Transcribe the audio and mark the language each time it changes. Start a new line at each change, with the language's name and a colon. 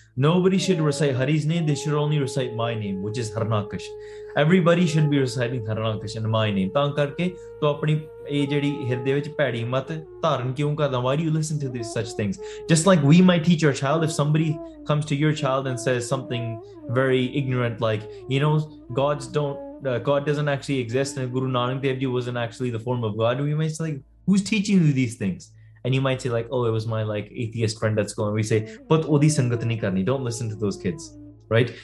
English: Nobody should recite Hari's name. They should only recite my name, which is Harnakash. Everybody should be reciting Harnakash and my name.
Punjabi: ਤਾਂ ਕਰਕੇ ਤੂੰ ਆਪਣੀ ਇਹ ਜਿਹੜੀ ਹਿਰਦੇ ਵਿੱਚ ਭੈੜੀ ਮਤ ਧਾਰਨ ਕਿਉਂ ਕਰਦਾ?
English: Why do you listen to these such things? Just like we might teach our child, if somebody comes to your child and says something very ignorant, like, you know, God doesn't actually exist and Guru Nanak Dev Ji wasn't actually the form of God, we might say, like, who's teaching you these things? And you might say, like, oh, it was my, like, atheist friend at school. And we say, but
Punjabi: odi sangat nahi karni,
English: don't listen to those kids. right?